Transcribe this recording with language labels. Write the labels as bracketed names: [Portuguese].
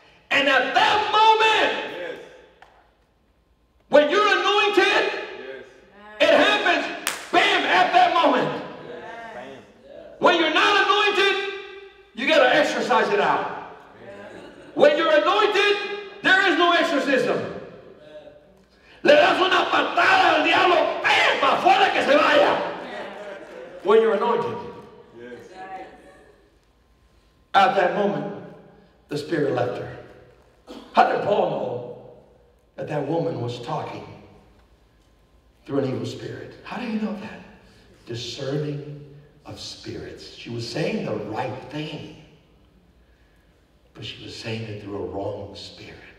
[English] And at that moment, when you're anointed, it happens, bam, at that moment. When you're not anointed, you got to exercise it out. When you're anointed, there is no exorcism. [Spanish] Le das una patada al diablo, bam, para afuera que se vaya. [English] When you're anointed. At that moment, the Spirit left her. How did Paul know that that woman was talking through an evil spirit? How do you know that? Discerning of spirits. She was saying the right thing, but she was saying it through a wrong spirit.